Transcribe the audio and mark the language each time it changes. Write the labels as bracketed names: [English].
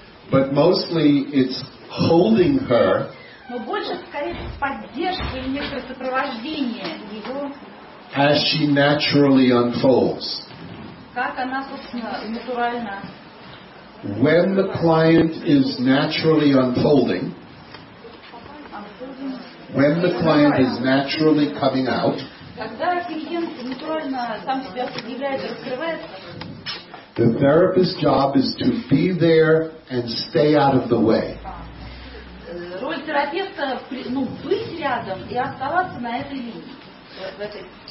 [English] But mostly it's holding her. [Russian] Но больше, скорее, поддержка или некое сопровождение его. [English] As she naturally unfolds. [Russian] Как она, собственно, натурально. [English] When the client is naturally unfolding, when the client is naturally coming out, [Russian] когда клиент натурально сам себя предъявляет и раскрывается, [English] the therapist's job is to be there and stay out of the way. [Russian] Роль терапевта быть рядом и оставаться на этой линии.